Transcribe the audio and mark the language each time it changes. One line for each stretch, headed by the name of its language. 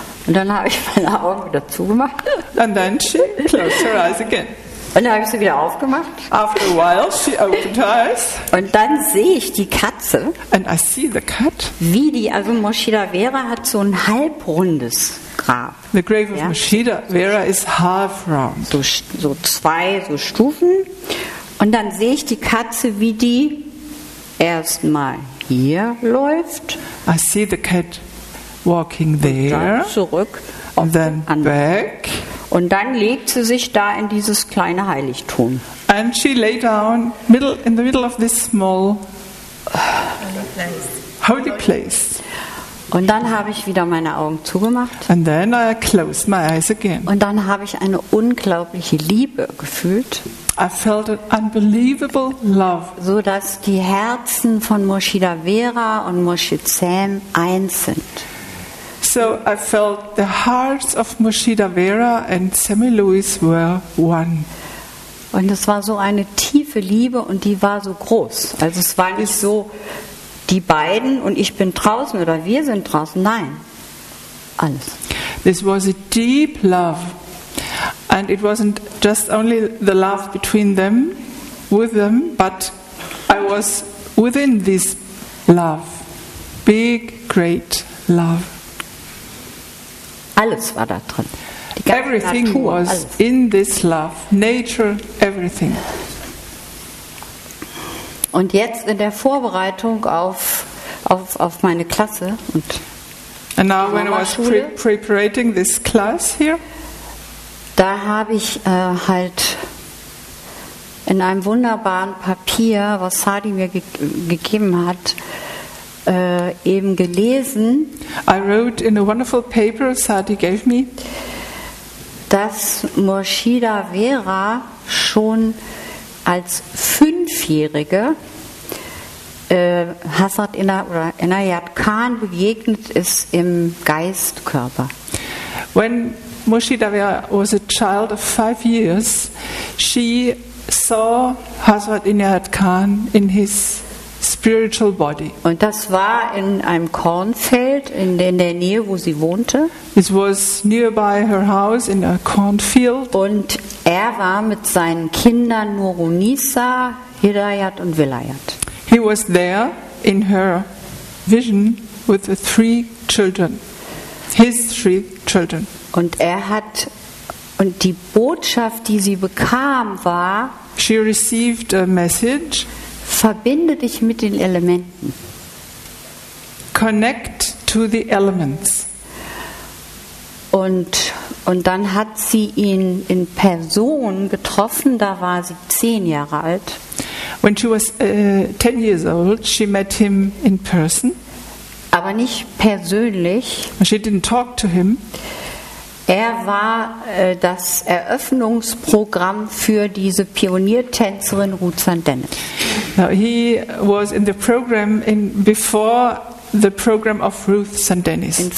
German: Und dann habe ich meine Augen wieder zugemacht.
English: And then she closed her eyes again.
German: Und dann habe ich sie wieder aufgemacht.
English: After a while she opened her eyes.
German: Und dann sehe ich die Katze.
English: And I see the cat.
German: Wie die, also Murshida Vera hat so ein halbrundes Grab.
English: The grave of, ja, Murshida Vera is half round.
German: So zwei so Stufen. Und dann sehe ich die Katze, wie die erstmal hier läuft.
English: I see the cat walking there.
German: Und dann zurück auf den Anweg. Und dann legt sie sich da in dieses kleine Heiligtum.
English: And she lay down in the middle of this small holy place.
German: Und dann habe ich wieder meine Augen zugemacht.
English: And then I closed my eyes again.
German: Und dann habe ich eine unglaubliche Liebe gefühlt.
English: I felt an unbelievable love.
German: So dass die Herzen von Murshida Vera und Murshid Sam eins sind.
English: So I felt the hearts of Murshida Vera and Sammy Lewis were one.
German: Und es war so eine tiefe Liebe und die war so groß. Also es war nicht so die beiden und ich bin draußen oder wir sind draußen. Nein, alles.
English: This was a deep love. And it wasn't just only the love between them, with them, but I was within this love. Big, great love.
German: Alles war da drin.
English: Everything
German: Natur, was alles.
English: In this love. Nature, everything.
German: Und jetzt in der Vorbereitung auf meine Klasse und
English: and now when I was preparing this class here,
German: da habe ich halt in einem wunderbaren Papier, was Sadi mir gegeben hat, eben gelesen.
English: I wrote in a wonderful paper Sadi gave me,
German: dass Murshida Vera schon als Fünfjährige Hazrat Inayat Khan begegnet ist im Geistkörper.
English: When Murshida Vera was a child of 5 years, she saw Hazrat Inayat Khan in his spiritual body.
German: Und das war in einem Kornfeld in der Nähe, wo sie wohnte.
English: It was nearby her house in a cornfield.
German: Und er war mit seinen Kindern Nurunisa, Hidayat und Vilayat.
English: He was there in her vision with the three children. His three children.
German: Und er hat Und die Botschaft, die sie bekam, war:
English: She received a message.
German: Verbinde dich mit den Elementen.
English: Connect to the elements.
German: Und dann hat sie ihn in Person getroffen. Da war sie 10 Jahre alt.
English: When she was 10 years old, she met him in person.
German: Aber nicht persönlich.
English: She didn't talk to him.
German: Er war das Eröffnungsprogramm für diese Pioniertänzerin Ruth Van Dennett.
English: Now he was in the program in before the program of Ruth Van Dennett.